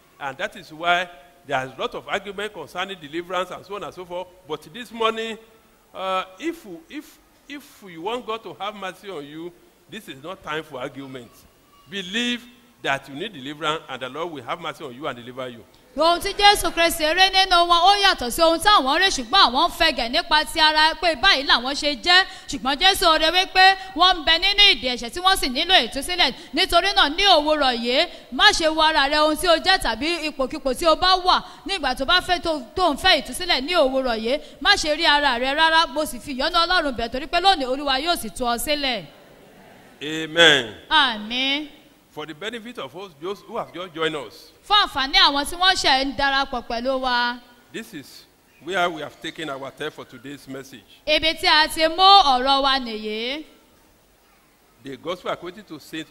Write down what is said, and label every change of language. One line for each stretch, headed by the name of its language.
English: And that is why there is a lot of argument concerning deliverance and so on and so forth. But this morning, if you want God to have mercy on you, this is not time for argument. Believe that you need deliverance and the Lord will have mercy on you and deliver you.
Yoruba: Ohun tí Jésù Kristì rí nínú wọn ó yàtọ̀ sí ohun táwọn rí ṣùgbọ́n àwọn fẹgẹ̀ nípa ti ara pé báyìí làwọn ṣe jẹ́ ṣùgbọ́n Jésù rí wípé wọ́n ń bẹ nínú ìdí ẹ̀ṣẹ̀ tí wọ́n sì nílò ìtúsílẹ̀ nítorí náà ní òwúrọ̀ yìí má ṣe wo ara rẹ ohun tí ó jẹ́ tàbí ipòkipò tí ó bá wà nígbà tó bá fẹ́ tó ń fẹ́ ìtúsílẹ̀ ní òwúrọ̀ yìí má ṣe rí ara rẹ rárá mo sì fi ìyọ́nà Ọlọ́run bẹ̀ torí pé lónìí Olúwa yóò sì tú ọ sílẹ̀.
English: Amen. Amen. For the benefit of us, those who have just joined us.
Yoruba: Fún àǹfààní àwọn tí wọ́n ṣẹ̀ ń darapọ̀ pẹ̀lú wa.
English: This is where we have taken our text for today's message.
Yoruba: Ibi tí a ti mú ọ̀rọ̀ wa nìyí.
English: The gospel according to St.